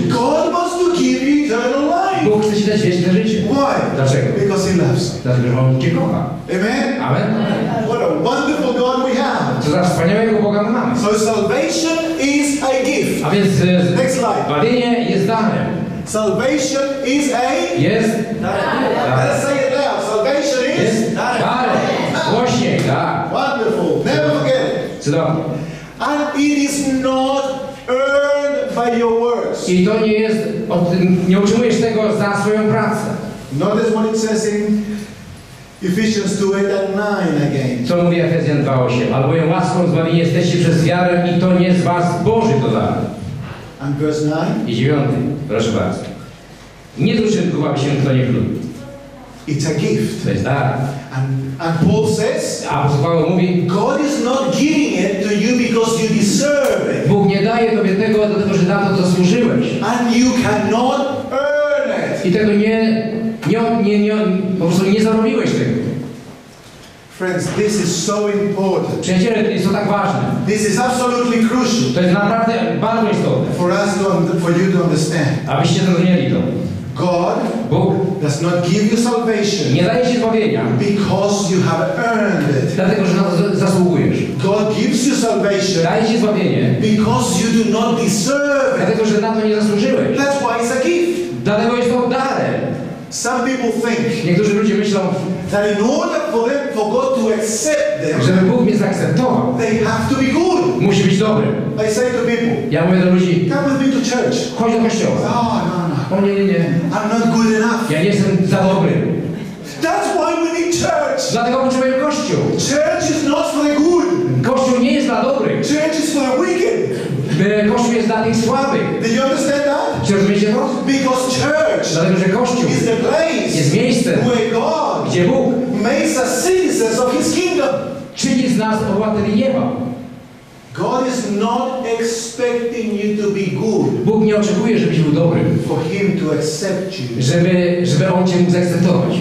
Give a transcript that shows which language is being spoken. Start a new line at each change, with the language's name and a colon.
English: God wants to give you eternal life.
Polish: Bóg chce ci dać wieczne życie.
English: Why?
Polish: Dlaczego?
English: Because he loves.
Polish: Dlatego, że on cię kocha.
English: Amen.
Polish: Amen.
English: What a wonderful God we have.
Polish: Co za wspaniałego Boga my mamy.
English: So salvation is a gift.
Polish: A więc
English: next slide.
Polish: Zbawienie jest darem.
English: Salvation is a yes. Darem. Let's say it loud. Salvation is
Polish: darem. Właśnie, tak.
English: Wonderful. Never forget.
Polish: Cudownie.
English: And it is not earned by your works.
Polish: I to nie jest, nie otrzymujesz tego za swoją pracę.
English: Notice what it says in Ephesians 2:8-9 again.
Polish: Co mówi Efezjan 2:8? Albowiem łaską zbawieni jesteście przez wiarę i to nie z was Boży to dar.
English: And verse 9.
Polish: I 9. Proszę bardzo. Nie z uczynku, aby się kto nie chlubi.
English: It's a gift.
Polish: To jest dar.
English: And Paul says,
Polish: apostoł Paweł mówi,
English: God is not giving it to you because you deserve it.
Polish: Bóg nie daje tobie tego, dlatego że na to zasłużyłeś.
English: And you cannot earn it.
Polish: I tego nie po prostu nie zarobiłeś tego.
English: Friends, this is so important.
Polish: Przyjaciele, to jest to tak ważne.
English: This is absolutely crucial.
Polish: To jest naprawdę bardzo istotne.
English: For us to, for you to understand.
Polish: Abyście zrozumieli to.
English: God
Polish: Bóg
English: does not give you salvation.
Polish: Nie daje ci zbawienia.
English: Because you have earned it.
Polish: Dlatego, że na to zasługujesz.
English: God gives you salvation.
Polish: Daje ci zbawienie.
English: Because you do not deserve it.
Polish: Dlatego, że na to nie zasłużyłeś.
English: That's why it's a gift.
Polish: Dlatego jest to darem.
English: Some people think.
Polish: Niektórzy ludzie myślą,
English: that in order for them, for God to accept them,
Polish: żeby Bóg mnie zaakceptował,
English: they have to be good.
Polish: Musi być dobry.
English: I say to people.
Polish: Ja mówię do ludzi.
English: Come with me to church.
Polish: Chodź do kościoła.
English: Oh,
Polish: o nie.
English: I'm not good enough.
Polish: Ja nie jestem za dobry.
English: That's why we need church.
Polish: Dlatego potrzebujemy kościół.
English: Church is not for the good.
Polish: Kościół nie jest dla dobrych.
English: Church is for the wicked.
Polish: Kościół jest dla tych słabych.
English: Do you understand that?
Polish: Czy rozumiecie to?
English: Because church.
Polish: Dlatego, że kościół
English: is the place.
Polish: Jest miejsce.
English: Where God.
Polish: Gdzie Bóg.
English: Makes us citizens of His kingdom.
Polish: Czyni z nas obywateli nieba.
English: God is not expecting you to be good.
Polish: Bóg nie oczekuje, żebyś był dobry.
English: For him to accept you.
Polish: Żeby on cię mógł zaakceptować.